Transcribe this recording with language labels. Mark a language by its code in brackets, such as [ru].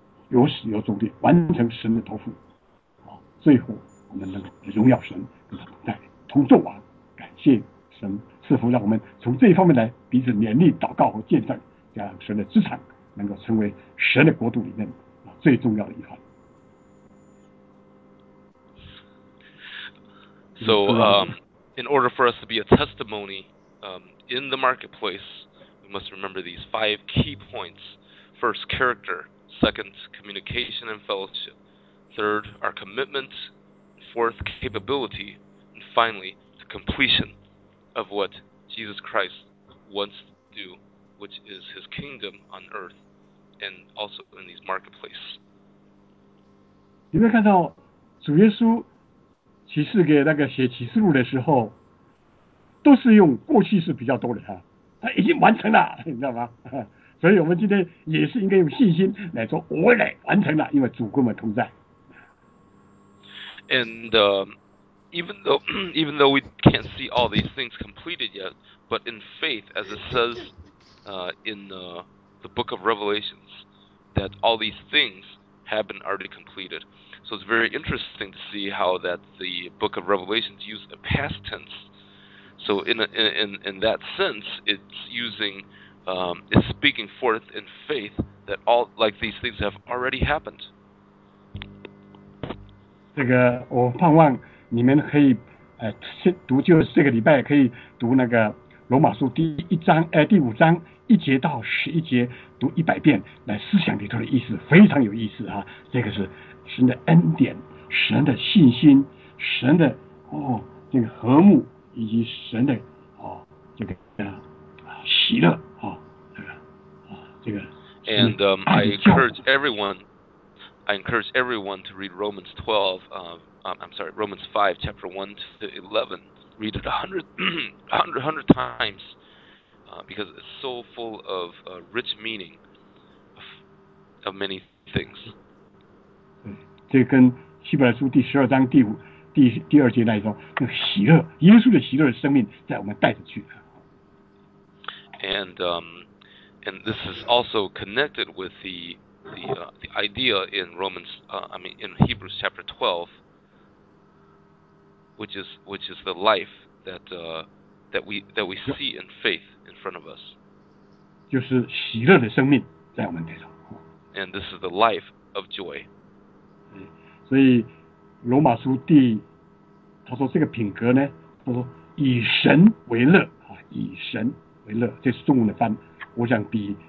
[zh] 有始有终地完成神的托付最后我们能够荣耀神在同作王感谢神赐福让我们从这一方面来彼此勉励祷告和见证让神的资产能够成为神的国度里面最重要的一环 [en] So in order for us to be a testimony in the marketplace we must remember these five key points first characterSecond, communication and fellowship. Third, our commitment. Fourth, capability. And finally, the completion of what Jesus Christ wants to do, which is his kingdom on earth and also in these marketplaces. [zh] 你会看到主耶稣启示给那个写启示录的时候，都是用过去式比较多的哈，他已经完成了，你知道吗？所以我们今天也是应该用信心来说，我来完成了，因为主跟我们同在。 [en] And even though we can't see all these things completed yet, but in faith, as it says in the book of Revelations, that all these things have been already completed. So it's very interesting to see how that the book of Revelations use a past tense. So in that sense, it's using, it's speaking forth in faith that all, like these things have already happened. [zh] 这个我盼望你们可以读，就是这个礼拜可以读那个罗马书第一章第五章一节到十一节，读一百遍，来思想里头的意思，非常有意思啊！这个是神的恩典，神的信心，神的这个和睦，以及神的这个喜乐啊，这个啊这个。 [en] And I encourage everyone. I encourage everyone to read Romans 12, I'm sorry, Romans 5, chapter 1 to 11. Read it 100 times, because it's so full of rich meaning of many things. [zh] 这跟希伯来书第十二章第五第第二节来说，那喜乐，耶稣的喜乐的生命在我们带着去。 [en] And this is also connected with the idea in Romans, in Hebrews chapter 12, which is the life that we see in faith in front of us. [zh] 就是喜乐的生命在我们当中。 [en] And this is the life of joy. [zh] 所以罗马书第，他说这个品格呢，他说以神为乐啊，以神为乐，这是中文的翻，我想比。